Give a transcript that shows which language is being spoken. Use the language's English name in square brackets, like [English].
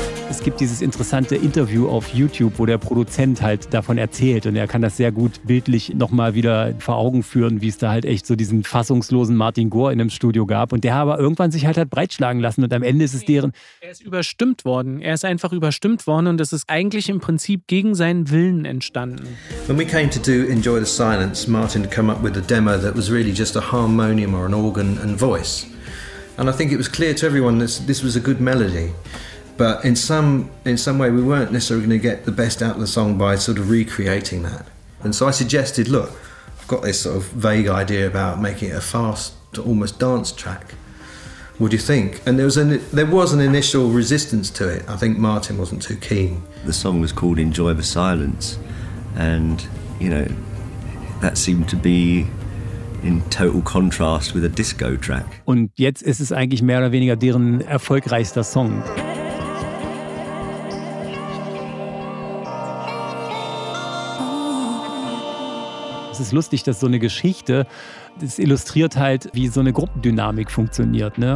[German] Es gibt dieses interessante Interview auf YouTube, wo der Produzent halt davon erzählt und er kann das sehr gut bildlich nochmal wieder vor Augen führen, wie es da halt echt so diesen fassungslosen Martin Gore in einem Studio gab und der aber irgendwann sich halt breitschlagen lassen und am Ende ist es deren... Er ist überstimmt worden. Er ist einfach überstimmt worden und es ist eigentlich im Prinzip gegen seinen Willen entstanden. [English] When we came to do Enjoy the Silence, Martin had come up with a demo that was really just a harmonium or an organ and voice. And I think it was clear to everyone that this was a good melody. But in some way we weren't necessarily going to get the best out of the song by sort of recreating that. And so I suggested, look, I've got this sort of vague idea about making it a fast, almost dance track. What do you think? And there was an initial resistance to it. I think Martin wasn't too keen. The song was called Enjoy the Silence. And, you know, that seemed to be in total contrast with a disco track. [German] Und jetzt ist es eigentlich mehr oder weniger deren erfolgreichster Song. Es ist lustig, dass so eine Geschichte, das illustriert halt, wie so eine Gruppendynamik funktioniert, ne?